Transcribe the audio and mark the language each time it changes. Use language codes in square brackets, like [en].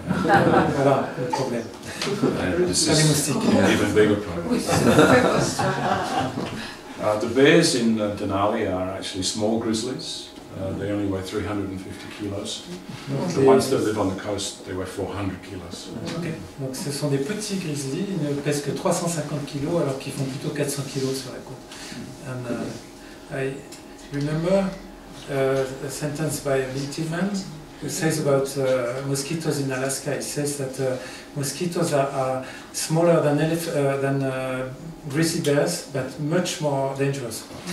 [fr] Voilà, le problème. [en] This is an even bigger problem. The bears in Denali are actually small grizzlies. They only weigh 350 kilos. The ones that live on the coast, they weigh 400 kilos. Okay. [fr] Donc ce sont des petits grizzlies, ils ne pèsent que 350 kilos, alors qu'ils font plutôt 400 kilos sur la côte. [en] And I remember a sentence by a native man who says about mosquitoes in Alaska. He says that mosquitoes are smaller than grizzly bears, but much more dangerous.